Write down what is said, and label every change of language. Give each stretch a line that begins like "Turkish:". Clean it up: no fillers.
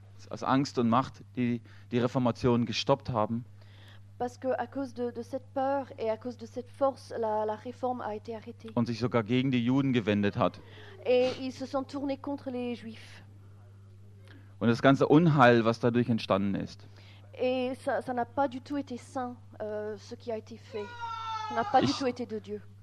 German: Aus Angst und Macht, die die Reformation gestoppt haben.
French: Parce que à cause de cette peur et à cause de cette force, la réforme a été arrêtée.
German: Und sich sogar gegen die Juden gewendet hat.
French: Et ils se sont tournés contre les Juifs.
German: Und das ganze Unheil, was dadurch entstanden ist.
French: Et ça n'a pas du tout été saint, ce qui a été fait. Ça n'a pas du tout été de Dieu.